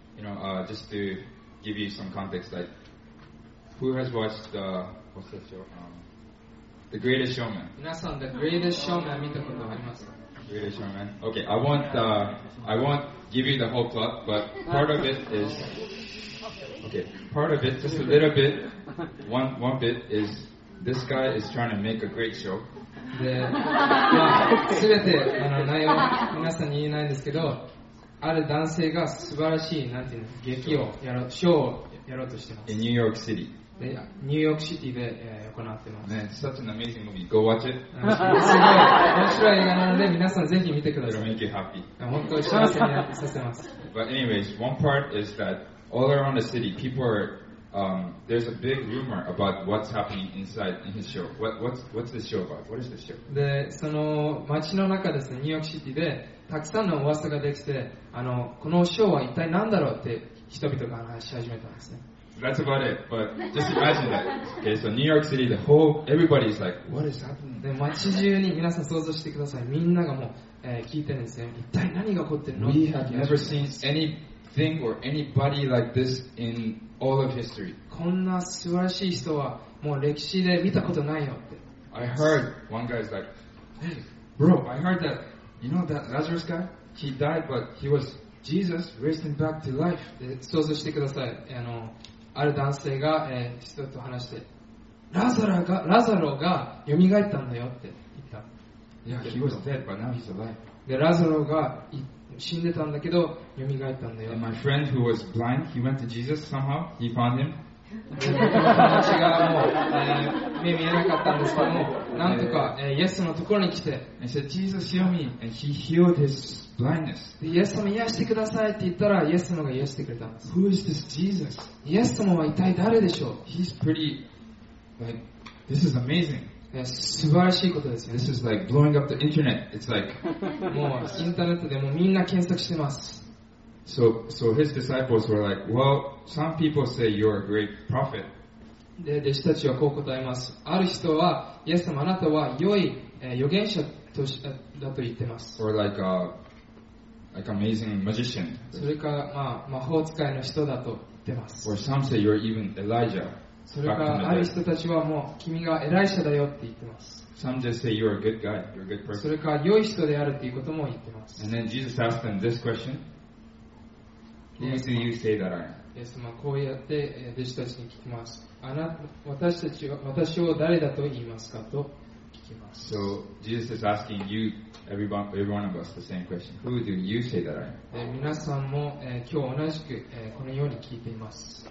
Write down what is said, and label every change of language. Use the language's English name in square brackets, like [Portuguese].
[English] You know, just to give you some context, like who has watched the what's that show? The Greatest Showman. [Japanese] 皆さん The Greatest Showman 見たことありますか？ [English] Greatest Showman. Okay, I won't give you the whole plot, but part of it is okay. Part of it, just a little bit, one bit is this guy is trying to make a great show. [Japanese] で、まあ、全て、内容を皆さんに言えないんですけど、ある男性が素晴らしい、なんていうの、劇を、ショーをやろうとしてます。 [English] In New York City. [Japanese] ニューヨークシティで行ってます。 [English] Man, such an amazing movie. Go watch it. [Japanese] すごい、面白い映画なので、皆さんぜひ見てください。 [English] It'll make you happy. [Japanese] 本当に幸せにさせます。 [English] But anyways, one part is that all around the city, people are there's a big rumor about what's happening inside in his show. What's this show about? What is this show? [Japanese] で、その街の中ですね、ニューヨークシティでたくさんの噂ができて、あのこのショーは一体何だろうって人々が話し始めたんですね。 [English] That's about it. But just imagine that. Okay, so New York City, the whole everybody is like, what is happening? [Japanese] で、街中に皆さん想像してください。みんながもう、聞いてるんですね。一体何が起こってるの [English] ？We have never seen anything or anybody like this in all of history. [Japanese] こんな素晴らしい人はもう歴史で見たことないよって。 [English] I heard one guy is like, hey, bro, I heard that you know that Lazarus guy? He died, but he was Jesus raised him back to life. [Japanese] で、想像してください。あのある男性が、人と話して、ラザロが蘇ったんだよって言った。 [English] Yeah, he was dead, but now he's alive. [Japanese] で、ラザロが死んでたんだけど、蘇ったんだよ。 [English] And my friend who was blind, he went to Jesus somehow, he found him. [Japanese] 私がもう、目見えなかったんですけども、なんとか、イエスのところに来て、 [English] He said, Jesus, heal me, and he healed his blindness. [Japanese] で、イエス様癒してくださいって言ったら、イエス様が癒してくれたんです。 [English] Who is this Jesus? [Japanese] イエス様は一体誰でしょう? [English] He's pretty, like, this is amazing. [Japanese] 素晴らしいことですよ、ね。 [English] This is like blowing up the internet. It's like, [Japanese] もうインターネットでもみんな検索してます。 [English] So his disciples were like, well, some people say you're a great prophet. [Japanese] で、弟子たちはこう答えます。ある人は、イエス様あなたは良い、預言者とだと言ってます。 [English] Or like amazing magician. [Japanese] それか、まあ、魔法使いの人だと言ってます。 [English] Or some say you're even Elijah. [Japanese] それかある人たちはもう君が偉い者だよって言ってます。 [English] Some just say you're a good guy, you're a good person. [Japanese] それか良い人であるっていうことも言ってます。 [English] And then Jesus asked them this question. Who do you say that I am? [Japanese] イエス様こうやって弟子たちに聞きます。あなた、私たちは私を誰だと言いますかと聞きます。 [English] So Jesus is asking you, everyone of us, the same question. Who do you say that I am? [Japanese] 皆さんも今日同じくこのように聞いています。